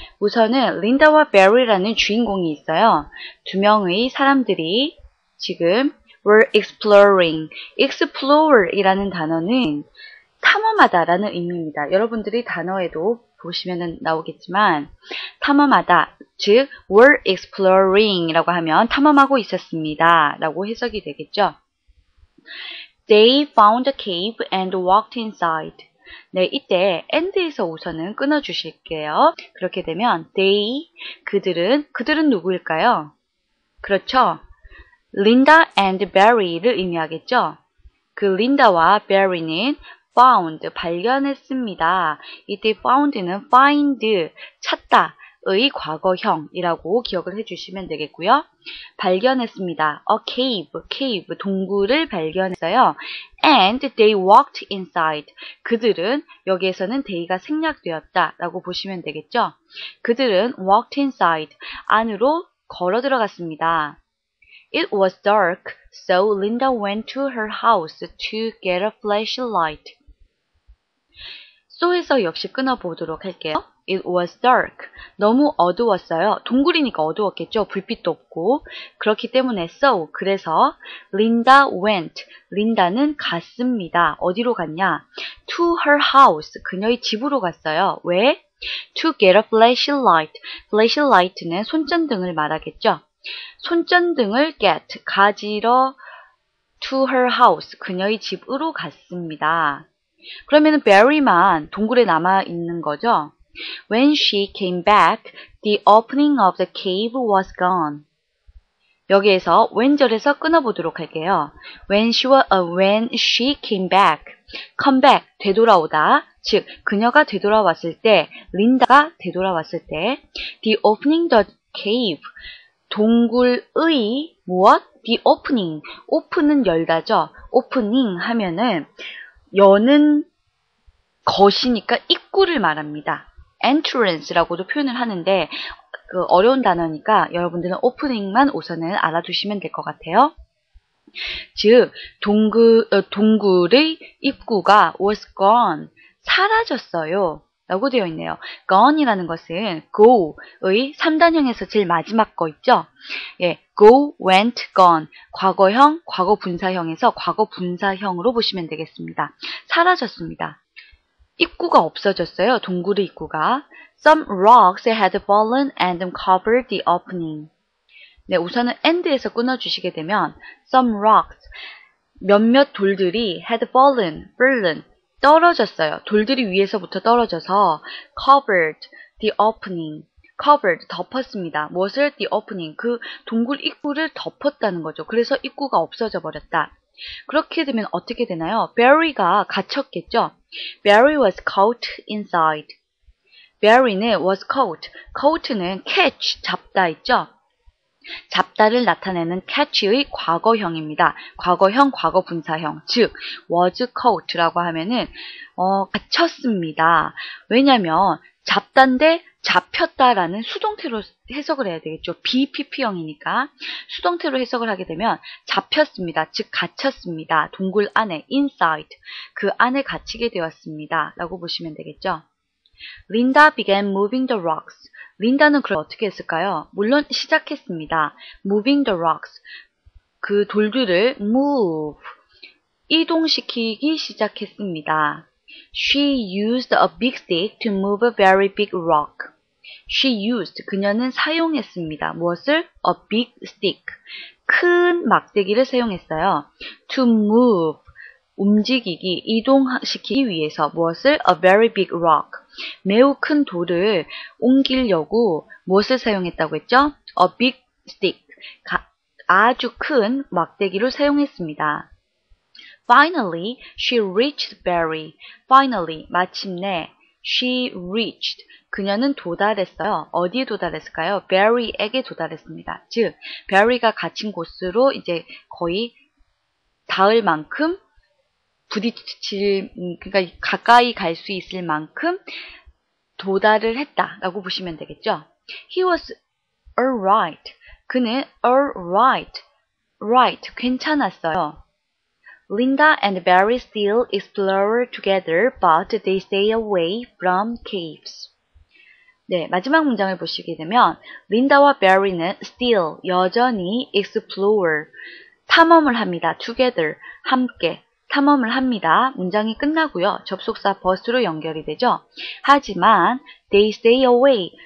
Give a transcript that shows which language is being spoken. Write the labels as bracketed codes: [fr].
[ko] 우선은 Linda와 Barry라는 주인공이 있어요. 두 명의 사람들이 지금 [en] were exploring, [ko] explore이라는 단어는 탐험하다 라는 의미입니다. 여러분들이 단어에도 보시면 나오겠지만 탐험하다, 즉 [en] were exploring [ko] 라고 하면 탐험하고 있었습니다 라고 해석이 되겠죠. [en] They found a cave and walked inside. [ko] 네, 이때 and에서 우선은 끊어주실게요. 그렇게 되면 they, 그들은 누구일까요? 그렇죠. Linda and Barry를 의미하겠죠. 그 Linda와 Barry는 found, 발견했습니다. 이때 found는 find, 찾다의 과거형이라고 기억을 해주시면 되겠고요. 발견했습니다. [en] A cave, [ko] 동굴을 발견했어요. [en] And they walked inside. [ko] 그들은 여기에서는 they가 생략되었다라고 보시면 되겠죠. 그들은 [en] walked inside, [ko] 안으로 걸어 들어갔습니다. [en] It was dark, so Linda went to her house to get a flashlight. [ko] So에서 역시 끊어보도록 할게요. [en] It was dark. [ko] 너무 어두웠어요. 동굴이니까 어두웠겠죠. 불빛도 없고. 그렇기 때문에 so, 그래서 [en] Linda went. [ko] Linda는 갔습니다. 어디로 갔냐? [en] To her house. [ko] 그녀의 집으로 갔어요. 왜? [en] To get a flashlight. [ko] Flashlight는 손전등을 말하겠죠. 손전등을 get. [en] 가지러 to her house. [ko] 그녀의 집으로 갔습니다. 그러면 Barry만 동굴에 남아있는 거죠? [en] When she came back, the opening of the cave was gone. [ko] 여기에서 when절에서 끊어보도록 할게요. [en] When she came back, come back, 되돌아오다. [ko] 즉, 그녀가 되돌아왔을 때, Linda가 되돌아왔을 때, [en] the opening the cave, [ko] 동굴의 무엇? [en] The opening, open은 열다죠. [ko] opening 하면은 여는 것이니까 입구를 말합니다. entrance라고도 표현을 하는데 그 어려운 단어니까 여러분들은 opening만 우선은 알아두시면 될 것 같아요. 즉, 동굴의 입구가 [en] was gone, [ko] 사라졌어요 라고 되어 있네요. gone이라는 것은 go의 3단형에서 제일 마지막 거 있죠? [en] 예, go, went, gone. [ko] 과거형, 과거분사형에서 과거분사형으로 보시면 되겠습니다. 사라졌습니다. 입구가 없어졌어요. 동굴의 입구가. [en] Some rocks had fallen and covered the opening. [ko] 네, 우선은 end에서 끊어주시게 되면 [en] some rocks, [ko] 몇몇 돌들이 [en] had fallen, [ko] 떨어졌어요. 돌들이 위에서부터 떨어져서 [en] covered the opening. [ko] covered, 덮었습니다. 무엇을? [en] The opening, [ko] 그 동굴 입구를 덮었다는 거죠. 그래서 입구가 없어져 버렸다. 그렇게 되면 어떻게 되나요? Barry가 갇혔겠죠? [en] Barry was caught inside. Barry는 was caught. [ko] caught는 catch, 잡다 있죠? 잡다를 나타내는 catch의 과거형입니다. 과거형, 과거분사형. 즉, was caught라고 하면은 갇혔습니다. 왜냐면 잡단데 잡혔다라는 수동태로 해석을 해야 되겠죠. BPP형이니까 수동태로 해석을 하게 되면 잡혔습니다. 즉, 갇혔습니다. 동굴 안에, inside, 그 안에 갇히게 되었습니다. 라고 보시면 되겠죠. [en] Linda began moving the rocks. [ko] Linda는 그걸 어떻게 했을까요? 물론 시작했습니다. [en] Moving the rocks. [ko] 그 돌들을 move, 이동시키기 시작했습니다. [en] She used a big stick to move a very big rock. [ko] She used, 그녀는 사용했습니다. [en] 무엇을? A big stick. [ko] 큰 막대기를 사용했어요. [en] To move, [ko] 움직이기, 이동시키기 위해서. [en] 무엇을? A very big rock. [ko] 매우 큰 돌을 옮기려고 무엇을 사용했다고 했죠? [en] A big stick. [ko] 아주 큰 막대기를 사용했습니다. [en] Finally, she reached Barry. Finally, 마침내, she reached. [ko] 그녀는 도달했어요. 어디에 도달했을까요? Barry에게 도달했습니다. 즉, Barry가 갇힌 곳으로 이제 거의 닿을 만큼 부딪힐, 그러니까 가까이 갈 수 있을 만큼 도달을 했다 라고 보시면 되겠죠. [en] He was alright. [ko] 그는 alright, right, 괜찮았어요. [en] Linda and Barry still explore together, but they stay away from caves. [ko] 네, 마지막 문장을 보시게 되면 Linda와 Barry는 still, 여전히 explore, 탐험을 합니다. Together, 함께. 탐험을 합니다. 문장이 끝나고요. 접속사 버스로 연결이 되죠. [en] 하지만 they stay away.